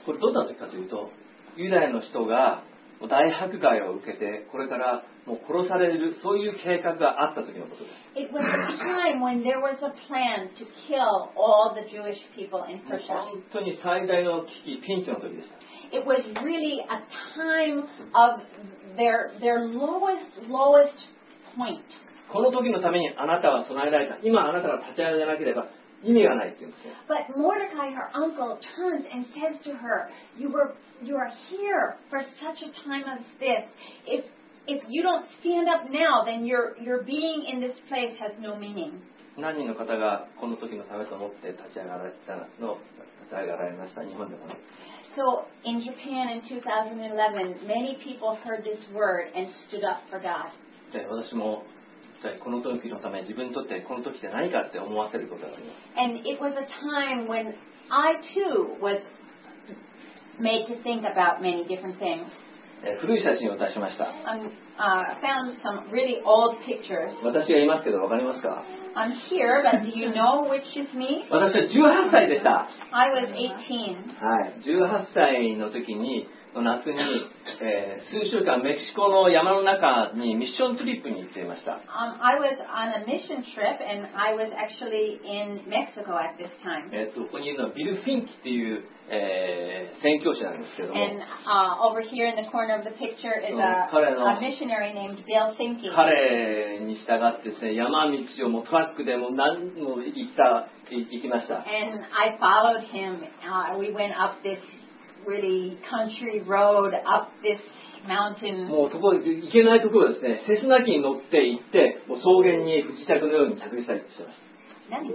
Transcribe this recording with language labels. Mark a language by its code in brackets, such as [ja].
[ja] これどんな時かというと、ユダヤの人が大迫害を受けて、これからもう殺されるそういう計画があった時のことです。 [en] It was a time when there was a plan to kill all the Jewish people in Persia. [ja] 本当に最大の危機、ピンチの時でした。 [en] It was really a time of their lowest point. [ja] この時のためにあなたは備えられた。今あなたが立ち上がらなければ意味がないって言うんですよ。 [en] But Mordecai, her uncle, turns and says to her, you are here for such a time as this. If you don't stand up now, then your being in this place has no meaning. [ja] 何人の方がこの時のためと思って立ち上がられたの、立ち上がられました、日本でもね。 [en] So, in Japan in 2011, many people heard this word and stood up for God. [ja] で、私も、この時のため、自分にとってこの時って何かって思わせることがあります。 [en] And it was a time when I too was made to think about many different things. [ja] 古い写真を出しました。 [en] Found some really old pictures. [ja] 私がいますけど分かりますか? [en] I'm here, but do you know which is me? [ja] 私は18歳でした。 [en] I was 18. [ja] はい、18歳の時に、夏に、数週間メキシコの山の中にミッションツリップに行っていました。 [en] I was on a mission trip and I was actually in Mexico at this time. [ja] ここにいるのはビル・フィンキっていう、宣教師なんですけども。 [en] And over here in the corner of the picture is a missionary named Bill Finke. [ja] 彼に従ってですね、山道をもうトラックでも何も行きました。 [en] And I followed him. We went up this really country road up this mountain. [ja] もうそこ行けないところですね。セスナ機に乗って行って、もう草原に不時着のように着陸したりしてました。